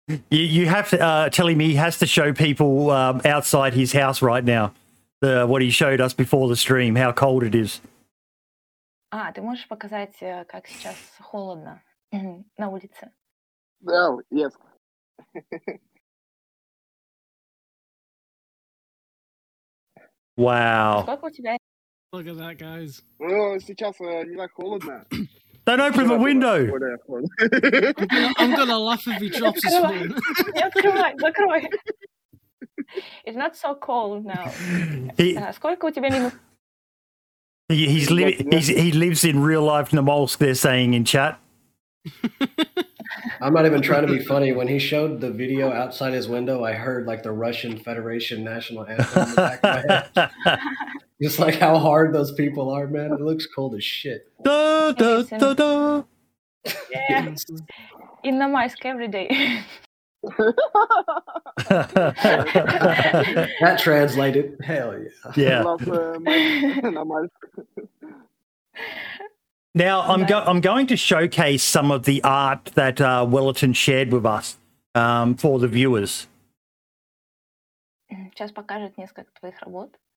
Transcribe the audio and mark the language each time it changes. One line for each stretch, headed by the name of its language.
English: You have to tell him he has to show people outside his house right now what he showed us before the stream, how cold it is.
Russian: Ah, ты можешь показать, как сейчас холодно на улице? Да,
English: yes. Wow. Look at that, guys.
Russian: Well, сейчас не так холодно.
English: Don't open the window. I'm going to laugh if he drops his phone.
Russian: Закрой.
English: It's not so cold now.
Russian: Сколько у тебя минус?
English: He lives in real life Namolsk, they're saying in chat. I'm not even trying to be funny. When he showed the video outside his window, I heard like the Russian Federation national anthem in the back of my head. Just like how hard those people are, man. It looks cold as shit.
Russian: Da, da, da, da.
English: Yeah. In Namolsk every day. That translated. Hell yeah. Yeah. Now I'm going to showcase some of the art that Wellington shared with us for the viewers.
Russian: Сейчас покажет несколько твоих работ.